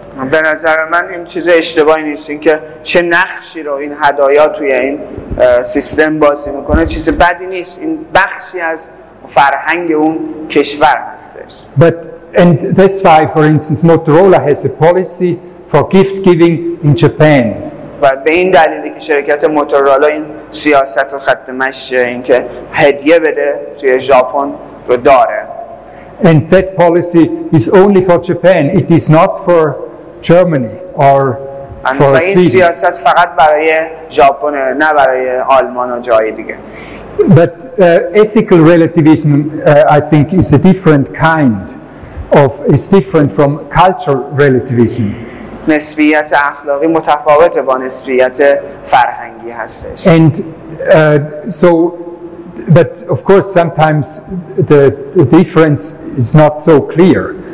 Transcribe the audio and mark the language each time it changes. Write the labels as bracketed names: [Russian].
[Persian] به نظر من این چیز اشتباهی نیست، اینکه چه نقشی رو این هدایا توی این سیستم بازی میکنه چیز بدی نیست، این بخشی از فرهنگ اون کشور هستش. [English] But and that's why, for instance, Motorola has a policy for gift giving in Japan. [Persian] و به این دلیلی که شرکت موتورولا این سیاست و خط مشی اینکه هدیه بده توی ژاپن رو داره. [English] And that policy is only for Japan. It is not for Germany or for Sweden. [Persian] این سیاست فقط برای ژاپن، نه برای آلمان و جای دیگه. [English] But ethical relativism, I think, is a different kind of, is different from cultural relativism. [Persian] نسبیت اخلاقی متفاوت با نسبیت فرهنگی هستش. [English] And so, but of course, sometimes the difference is not so clear.